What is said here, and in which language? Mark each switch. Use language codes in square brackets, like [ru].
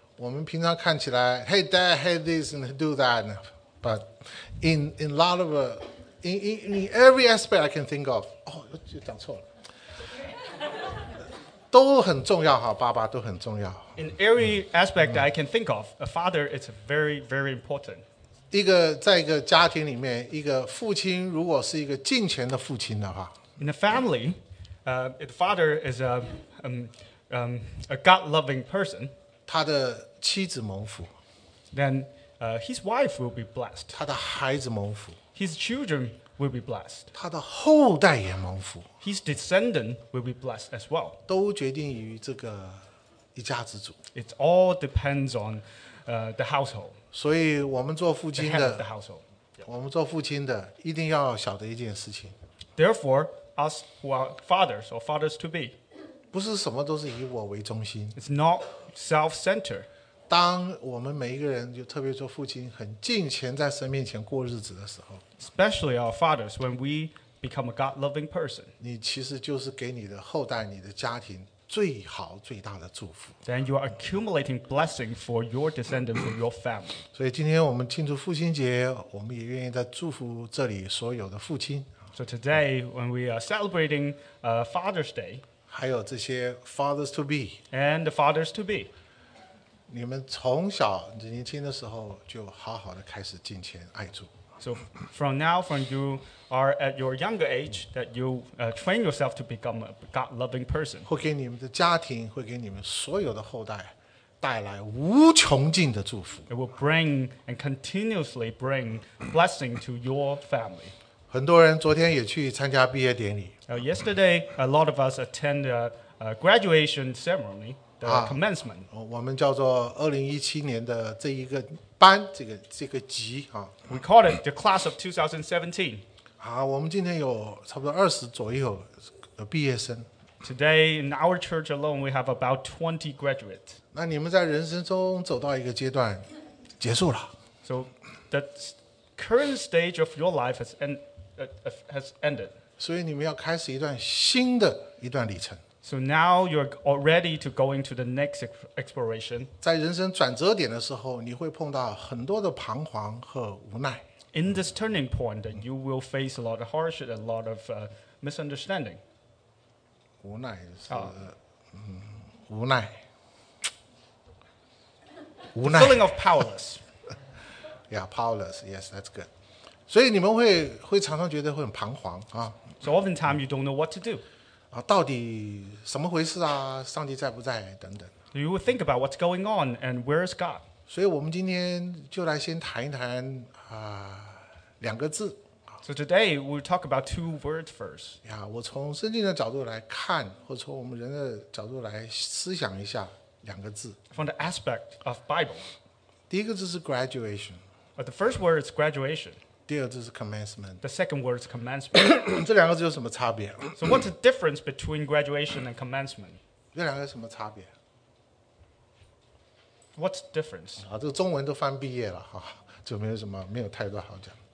[zh] 我们平常看起来 [en] ，Hey, dad, hey, this and do that, but in a lot of In every aspect I can think of, [zh] 又讲错了，都很重要 [en] 哈，爸爸都很重要。 In every aspect I can think of, a father is very, very important. [zh] 一个在一个家庭里面，一个父亲如果是一个敬虔的父亲的话 [en] ，In a family, the father is a God-loving person. [zh] 他的妻子蒙福 [en] ，Then his wife will be blessed. [zh] 他的孩子蒙福。 [en] His children will be blessed. [zh] 他的后代也蒙福。 [en] His descendant will be blessed as well. [zh] 都决定于这个一家之主。 [en] It all depends on the household. [zh] 所以我们做父亲的 [en] the head of the household. [zh] 我们做父亲的一定要晓得一件事情。 [en] Therefore, us who are fathers or fathers to be, [zh] 不是什么都是以我为中心。 [en] It's not self-centered. [zh] 当我们每一个人就特别做父亲很敬虔在神面前过日子的时候 [en] Especially our fathers when we become a God-loving person [zh] 你其实就是给你的后代你的家庭最好最大的祝福 [en] Then you are accumulating blessing for your descendants for your family [zh] 所以今天我们庆祝父亲节我们也愿意在祝福这里所有的父亲 [en] So today when we are celebrating Father's Day [zh] 还有这些 [en] fathers to be And the fathers to be [zh] 你们从小年轻的时候就好好的开始敬虔爱主。 [en] So from now, when you are at your younger age, that you train yourself to become a God-loving person. [zh] 会给你们的家庭，会给你们所有的后代带来无穷尽的祝福。 [en] It will bring and continuously bring blessing to your family. [zh] 很多人昨天也去参加毕业典礼。 [en] Yesterday, a lot of us attend a graduation ceremony, the commencement. [zh] 我们叫做2017年的这一个班，这个级啊。 [en] We call it the class of 2017. [zh] 我们今天有差不多20左右的毕业生。 [en] Today, in our church alone, we have about 20 graduates. [zh] 那你们在人生中走到一个阶段，结束了。 [en] So, the current stage of your life has ended. [zh] 所以你们要开始一段新的一段旅程。 [en] So now you're already to go into the next exploration. [zh] 在人生转折点的时候，你会碰到很多的彷徨和无奈。 [en] In this turning point, you will face a lot of hardship, a lot of misunderstanding. [zh] 无奈是，无奈，无奈。 [en] Feeling of powerless. Yeah, powerless. Yes, that's good. [zh] 所以你们会常常觉得会很彷徨啊。 [en] So oftentimes you don't know what to do. [zh] 啊，到底什么回事啊？上帝在不在？等等。 [en] You will think about what's going on and where is God. [zh] 所以我们今天就来先谈一谈两个字。 [en] So today we'll talk about two words first. [zh] Yeah, 我从圣经的角度来看，或从我们人的角度来思想一下两个字。 [en] From the aspect of Bible. [zh] 第一个字是 graduation. [en] But the first word is graduation. [zh] 第二个字是 commencement. [en] The second word is commencement. [zh] 这两个字有什么差别？ [en] So what's the difference between graduation and commencement? [zh] 这两个有什么差别？ [en] What's the difference? [zh] 啊，这个中文都翻毕业了哈，就没有什么，没有太多好讲。